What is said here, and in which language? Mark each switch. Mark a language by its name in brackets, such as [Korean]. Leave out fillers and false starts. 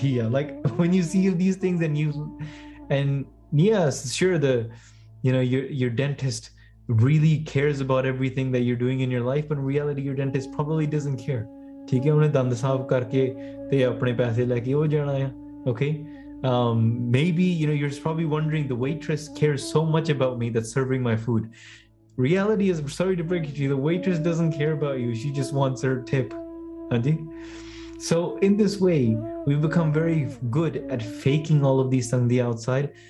[English] Like when you see these things and you, and yes, sure, the, you know, your dentist really cares about everything that you're doing in your life, but in reality your dentist probably doesn't care. [Hindi] ठीक है उन्हें दंद साफ करके ते अपने पैसे लेके वो जाना है. [English] Okay, maybe, you know, you're probably wondering, the waitress cares so much about me that's serving my food. Reality is, sorry to break it to you, the waitress doesn't care about you, she just wants her tip. So in this way, we've become very good at faking all of these on the outside.